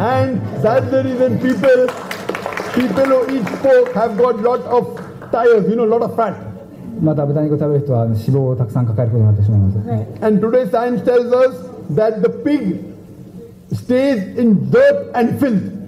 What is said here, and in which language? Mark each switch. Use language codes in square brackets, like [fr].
[en] And that's the reason people who eat pork have got lot of tires, you know, lot of fat. [ja] また豚肉を食べる人は脂肪をたくさん抱えることになってしまいます。 [en] And today science tells us that the pig stays in dirt and filth.